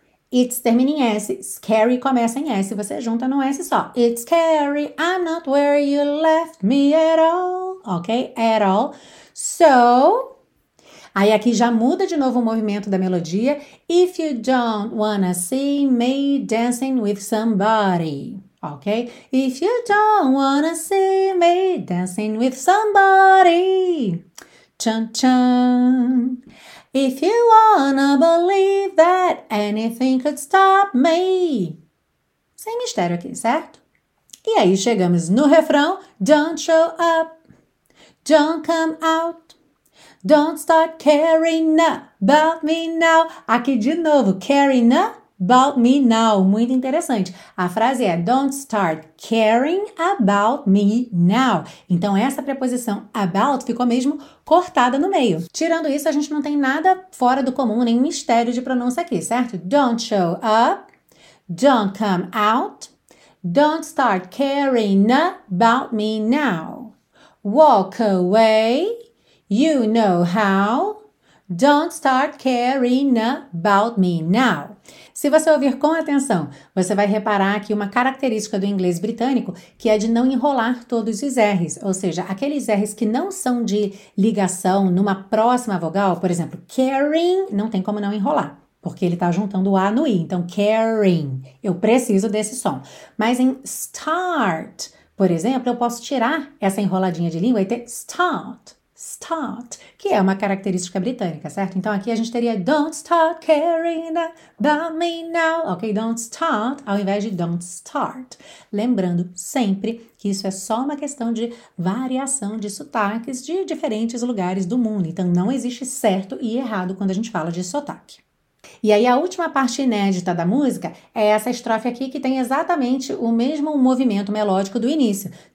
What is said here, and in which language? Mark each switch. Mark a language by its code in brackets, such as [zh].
[pt] It's termina em S, scary começa em S, você junta no S só. [en] It's scary, I'm not where you left me at all, ok? At all. [pt] So, aí aqui já muda de novo o movimento da melodia. [en] If you don't wanna see me dancing with somebody, ok? If you don't wanna see me dancing with somebody, chan chan. If you wanna believe that anything could stop me. [pt] Sem mistério aqui, certo? E aí chegamos no refrão. [en] Don't show up. Don't come out. Don't start caring about me now. [pt] Aqui de novo. [en] Caring about me now. [pt] Muito interessante. A frase é [en] don't start caring about me now. [pt] Então essa preposição about ficou mesmo cortada no meio. Tirando isso, a gente não tem nada fora do comum, nem mistério de pronúncia aqui, certo? [en] Don't show up, don't come out, don't start caring about me now. Walk away, you know how, don't start caring about me now. [pt] Se você ouvir com atenção, você vai reparar aqui uma característica do inglês britânico, que é de não enrolar todos os R's, ou seja, aqueles R's que não são de ligação numa próxima vogal, por exemplo, caring, não tem como não enrolar, porque ele está juntando o A no I, então caring, eu preciso desse som. Mas em start, por exemplo, eu posso tirar essa enroladinha de língua e ter start, que é uma característica britânica, certo? Então aqui a gente teria [en] don't start caring about me now, [pt] ok? [en] Don't start, [pt] ao invés de [en] don't start. [pt] Lembrando sempre que isso é só uma questão de variação de sotaques de diferentes lugares do mundo. Então não existe certo e errado quando a gente fala de sotaque. E aí a última parte inédita da música é essa estrofe aqui que tem exatamente o mesmo movimento melódico do início.